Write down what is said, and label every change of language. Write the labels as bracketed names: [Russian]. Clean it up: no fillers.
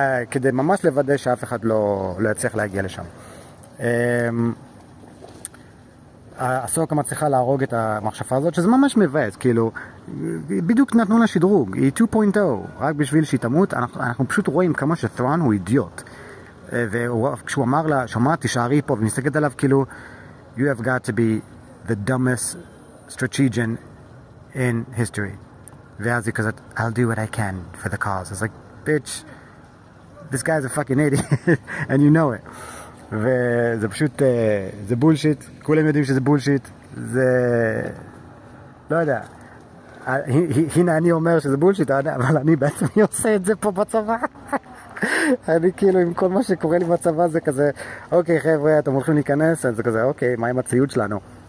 [Hebrew] כדי ממש לוודא שאף אחד לא יצליח להגיע לשם. אסוקה מצליחה להרוג את המחשפה הזאת, שזה ממש מבאס, כאילו, בדיוק נתנו לה שדרוג, היא 2.0, רק בשביל שהיא תמות, אנחנו פשוט רואים כמה שת'רון הוא אידיוט. וכשהוא אמר לה, שומעת, תישארי פה, ומסתכלת עליו, כאילו, [English] you have got to be the dumbest strategian in history. [Hebrew] ואז היא כזאת, [English] I'll do what I can for the cause. It's like, bitch, this guy is a fucking idiot, and you know it. [Hebrew] וזה פשוט, זה בולשיט, כולם יודעים שזה בולשיט, זה, לא יודע, הנה אני אומר שזה בולשיט, אבל אני בעצמי עושה את זה פה בצבא, אני כאילו עם כל מה שקורה לי בצבא זה כזה, אוקיי חבר'ה אתם הולכים להיכנס, זה כזה אוקיי, מה עם הציוד שלנו?